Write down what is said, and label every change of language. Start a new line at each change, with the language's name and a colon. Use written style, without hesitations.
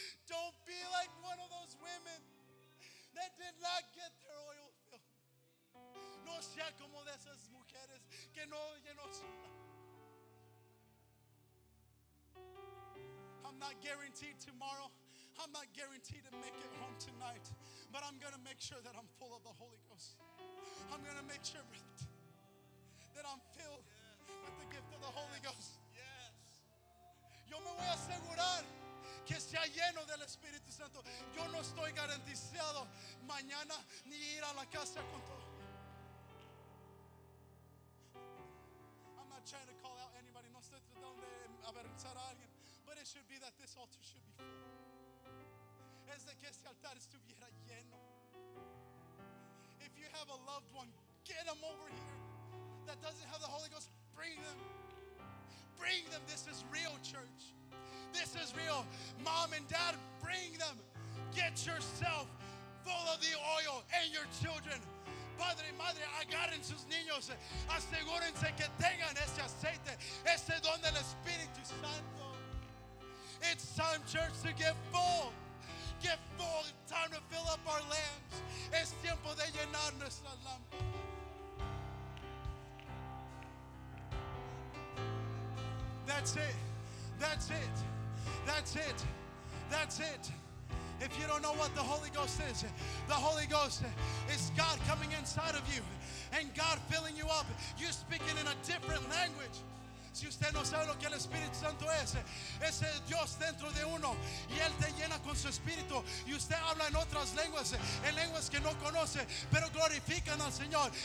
English: Don't be like one of those women that did not get their oil filled.
Spanish: No sea como de esas mujeres que no llenó su.
English: I'm not guaranteed tomorrow. I'm not guaranteed to make it home tonight. But I'm going to make sure that I'm full of the Holy Ghost. I'm going to make sure that I'm filled with the gift of the Holy Ghost. Yes.
Spanish: Yo me voy a asegurar que sea lleno del Espíritu Santo. Yo no estoy garantizado mañana ni ir a la casa con todo.
English: I'm not trying to call out anybody.
Spanish: No estoy tratando de avergonzar a alguien.
English: But it should be that this altar should be full.
Spanish: es de que ese altar estuviera lleno.
English: If you have a loved one, get them over here that doesn't have the Holy Ghost. Bring them. Bring them. This is real, church. This is real. Mom and dad, bring them. Get yourself full of the oil and your children.
Spanish: Padre y madre, agarren sus niños. Asegúrense que tengan ese aceite, ese don del Espíritu Santo.
English: It's time, church, to get full. Get full. It's time to fill up our lamps.
Spanish: Es tiempo de llenar nuestra lámpara.
English: That's it. That's it. That's it. That's it. If you don't know what the Holy Ghost is, the Holy Ghost is God coming inside of you and God filling you up. You're speaking in a different language.
Spanish: Si usted no sabe lo que el Espíritu Santo es, es el Dios dentro de uno y Él te llena con su Espíritu. Y usted habla en otras lenguas, en lenguas que no conoce, pero glorifican al Señor.